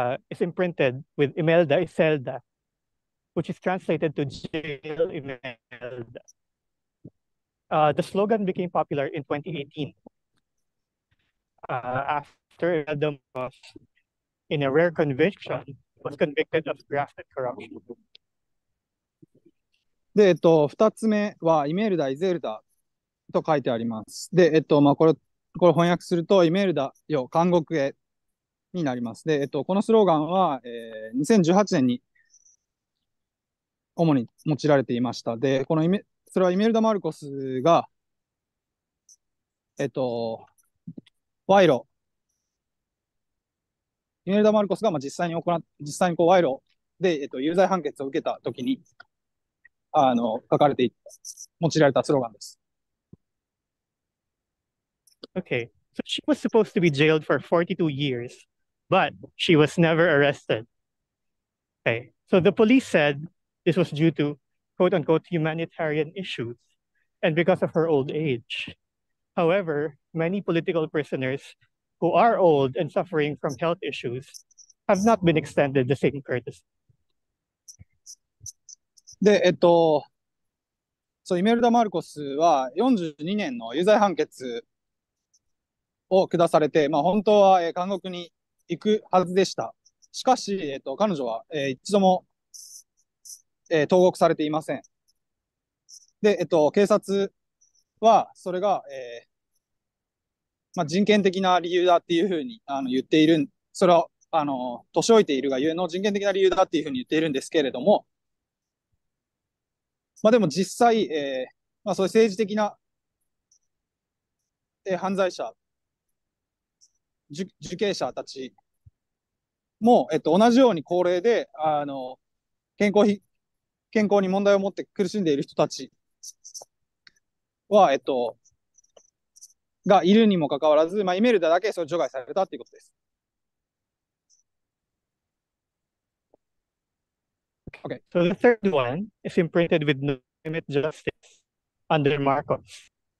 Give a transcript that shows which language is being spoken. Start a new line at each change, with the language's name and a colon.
English: is imprinted with Imelda Iselda, which is translated to Jail Imelda. The slogan became popular in 2018 after Imelda was, in a rare conviction, was convicted of graft and corruption.
Japanese: で、2つ目は、イメルダ・イゼルダと書いてあります。で、まあ、これ翻訳すると、イメルダよ、監獄へになります。で、このスローガンは、2018年に主に用いられていました。で、このそれはイメルダ・マルコスが、賄賂。イメルダ・マルコスが、まあ、実際にこう賄賂で、有罪判決を受けたときに、書かれていた、用いられたスローガンです。
English: Okay, so she was supposed to be jailed for 42 years, but she was never arrested. Okay, so the police said this was due to quote-unquote humanitarian issues and because of her old age. However, many political prisoners who are old and suffering from health issues have not been extended the same courtesy.
Japanese: で、イメルダ・マルコスは42年の有罪判決を下されて、まあ、本当は、監獄に行くはずでした。しかし、彼女は、一度も、投獄されていません。で、警察はそれが、まあ、人権的な理由だっていうふうに言っている、それは年老いているがゆえの人権的な理由だっていうふうに言っているんですけれども、まあ、でも実際、まあ、そういう政治的な、犯罪者、受刑者たちも、同じように高齢で、健康に問題を持って苦しんでいる人たちは、がいるにもかかわらず、まあ、イメルダだけそれ除外されたということです。
English: Okay. So the third one is imprinted with Limit justice under Marcos.